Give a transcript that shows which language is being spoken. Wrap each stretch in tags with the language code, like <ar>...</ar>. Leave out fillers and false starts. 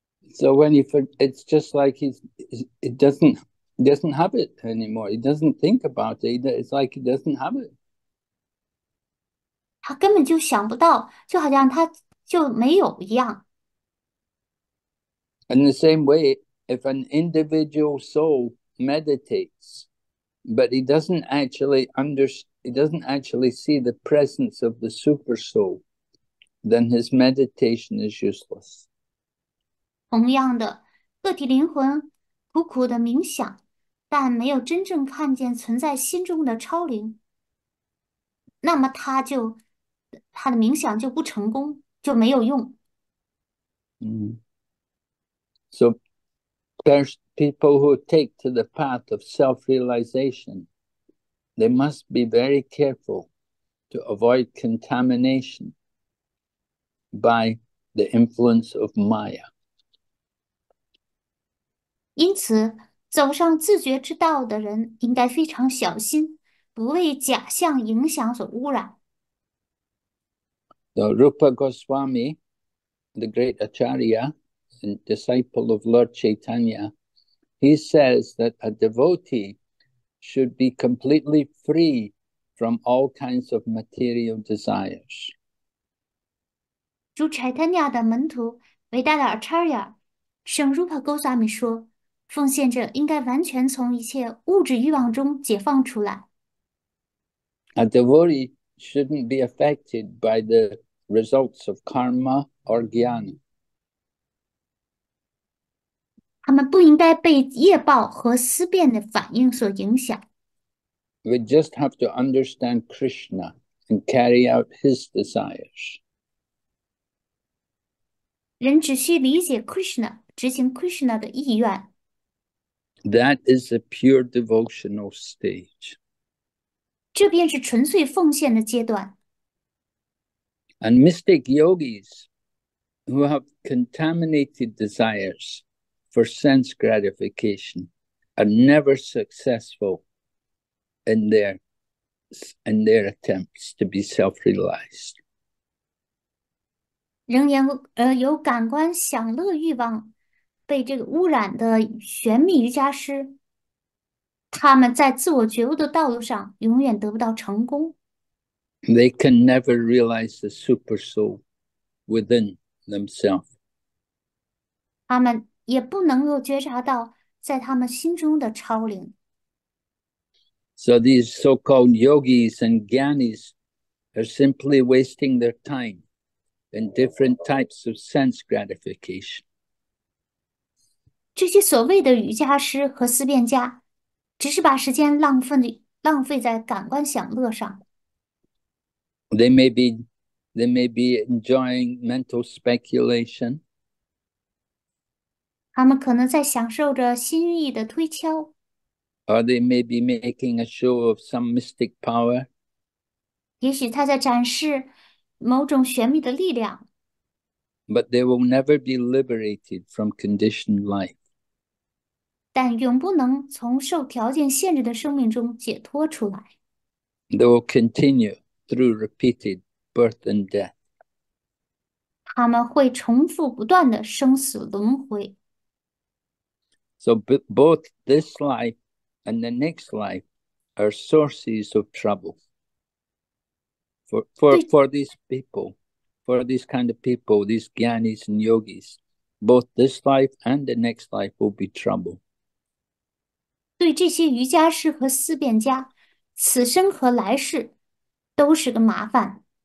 <en>So when he for it's just like he's it doesn't. He doesn't have it anymore. He doesn't think about it. It's like he doesn't have it.</en> <zh>他根本就想不到，就好像他就没有一样。</zh> <en>In the same way, if an individual soul meditates, but he doesn't actually see the presence of the super soul, then his meditation is useless.</en> <zh>同样的，个体灵魂苦苦的冥想，但没有真正看见存在心中的超灵，那么他就。他的冥想就不成功，就没有用。</zh> <en>So, there's people who take to the path of self-realization, they must be very careful to avoid contamination by the influence of Maya.</en> <zh>因此，走上自觉之道的人应该非常小心，不为假象影响所污染。</zh> <en>So, Rupa Goswami the great Acharya and disciple of Lord Chaitanya, he says that a devotee should be completely free from all kinds of material desires.</en> <zh>主 Chaitanya 的门徒伟大的 Acharya 圣 Rupa Goswami 说，奉献者应该完全从一切物质欲望中解放出来。</zh> <en>A devotee shouldn't be affected by the results of karma or jnana.</en> <zh>他们不应该被业报和思辨的反应所影响。</zh> <en>We just have to understand Krishna and carry out his desires.</en> <zh>人只需理解 Krishna, 执行 Krishna 的意愿。</zh> <en>That is a pure devotional stage.</en> <zh>这便是纯粹奉献的阶段。</zh> <en>And mystic yogis who have contaminated desires for sense gratification are never successful in their attempts to be self-realized.</en> <zh>仍然有感官享乐欲望被这个污染的玄密瑜伽师，他们在自我觉悟的道路上永远得不到成功。</zh> <en>They can never realize the super soul within themselves.</en> <zh>他们也不能够觉察到在他们心中的超灵。</zh> <en>So these so-called yogis and jnanis are simply wasting their time in different types of sense gratification.</en> <zh>这些所谓的瑜伽师和思辨家，只是把时间浪费在感官享乐上。</zh> <en>They may be enjoying mental speculation.</en> <zh>他们可能在享受着心意的推敲。</zh> <en>Or they may be making a show of some mystic power.</en> <zh>也许他在展示某种玄秘的力量。</zh> <en>But they will never be liberated from conditioned life.</en> <zh>但永不能从受条件限制的生命中解脱出来。</zh> <en>They will continue through repeated birth and death.</en> <zh>他们会重复不断的生死轮回。</zh> <en>So both this life and the next life are sources of trouble for these kind of people, these jnanis and yogis. Both this life and the next life will be trouble.</en> <zh>对这些瑜伽师和思辨家，此生和来世都是个麻烦。</zh>